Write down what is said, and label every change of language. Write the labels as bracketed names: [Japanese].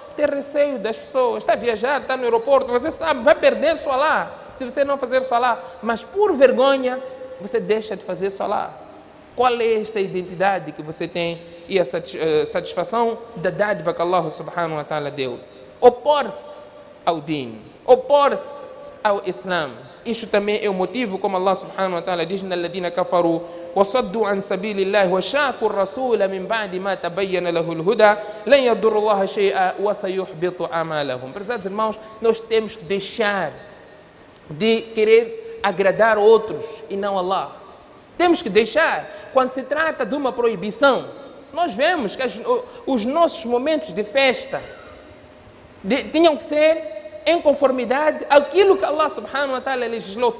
[Portuguese] Ter receio das pessoas. Está a viajar, está no aeroporto. Você sabe, vai perder sua lá se você não fazer sua lá. Mas por vergonha, você deixa de fazer sua lá. Qual é esta identidade que você tem e a satisfação da dádiva que Allah subhanahu wa ta'ala deu? Opor-se ao din, opor-se ao islam. Isso também é o motivo, como Allah subhanahu wa ta'ala diz: [Arabic] "Alladina kafaru وصدوا عن سبيل الله وشاقوا الرسول من بعد ما تبين له الهدى لن يضر الله شيئا وسيحبط اعمالهم". [Portuguese] Prezados irmãos, nós temos que deixar de querer agradar outros e não Allah. Temos que deixar. Quando se trata de uma proibição, nós vemos que os nossos momentos de festa tinham que ser em conformidade àquilo que Allah subhanahu wa ta'ala legislou.